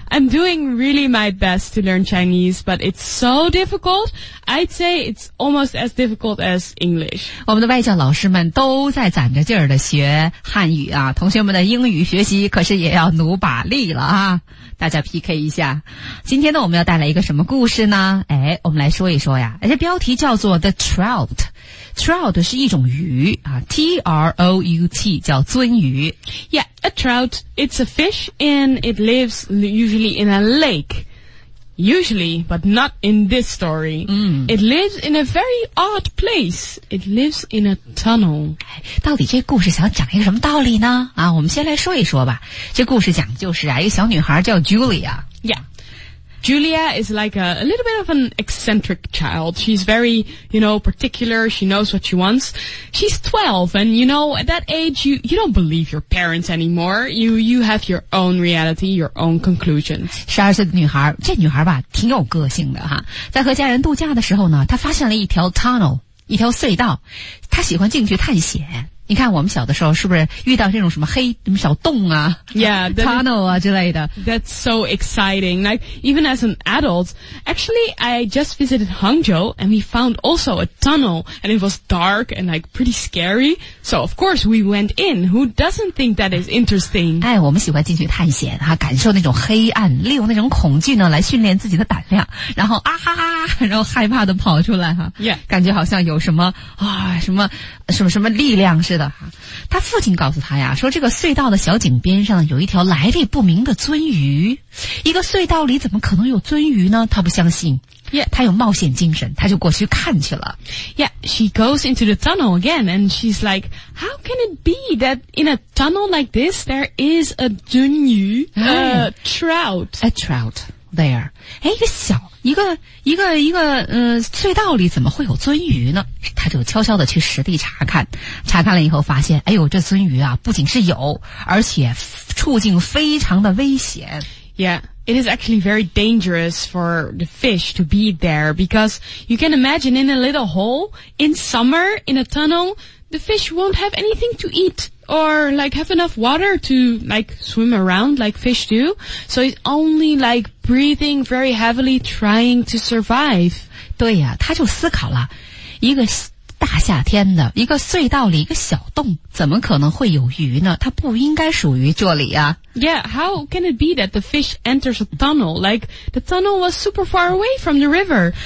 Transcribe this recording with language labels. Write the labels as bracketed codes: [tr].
[en] I'm doing really my best to learn Chinese, but it's so difficult. I'd say it's almost as difficult as English. [zh] 我们的外教老师们都在攒着劲儿的学汉语啊，同学们的英语学习可是也要努把力了啊。大家 PK 一下，今天呢我们要带来一个什么故事呢？哎，我们来说一说呀，这标题叫做 The Trout。 Trout 是一种鱼啊 ,T-R-O-U-T, 叫鳟鱼。 [en] Yeah, a trout, it's a fish and it lives usually in a lake. Usually, but not in this story.、It lives in a very odd place. It lives in a tunnel. [zh] 到底这故事想讲一个什么道理呢？啊，我们先来说一说吧。这故事讲就是啊，一个小女孩叫 Julia。 [en] Yeah. Julia is like a little bit of an eccentric child. She's very, you know, particular. She knows what she wants. She's 12, and you know, at that age, you don't believe your parents anymore. You have your own reality, your own conclusions. [zh] 12岁的女孩，这女孩吧，挺有个性的哈。在和家人度假的时候呢，她发现了一条 tunnel, 一条隧道。她喜欢进去探险。你看我们小的时候是不是遇到这种什么黑什么小洞啊 tunnel 啊之类的 [en] That's so exciting. Like, even as an adult, actually, I just visited Hangzhou and we found also a tunnel and it was dark and like pretty scary. So, of course, we went in. Who doesn't think that is interesting? [zh] 哎，我们喜欢进去探险啊，感受那种黑暗，利用那种恐惧呢来训练自己的胆量，然后啊哈哈，然后害怕的跑出来哈、 [en] yeah. [zh] 感觉好像有什么啊什么什么什么力量是的哈，他父亲告诉他呀，说这个隧道的小井边上有一条来历不明的鳟鱼，一个隧道里怎么可能有鳟鱼呢？他不相信。 [en] Yeah, [zh] 她有冒险精神，她就过去看去了。 [en] Yeah, she goes into the tunnel again, and she's like, "How can it be that in a tunnel like this there is a 鳟鱼 trout, a trout there?" [zh] 哎，一个小一个隧道里怎么会有鳟鱼呢？她就悄悄的去实地查看，查看了以后发现，哎呦，这鳟鱼啊，不仅是有，而且处境非常的危险。 [en] Yeah. It is actually very dangerous for the fish to be there because you can imagine in a little hole in summer in a tunnel, the fish won't have anything to eat or like have enough water to like swim around like fish do. So it's only like breathing very heavily trying to survive. [zh] 对呀、啊、他就思考了一个大夏天的一个隧道里一个小洞怎么可能会有鱼呢？它不应该属于这里啊。 [en] Yeah, how can it be that the fish enters a tunnel? Like, the tunnel was super far away from the river.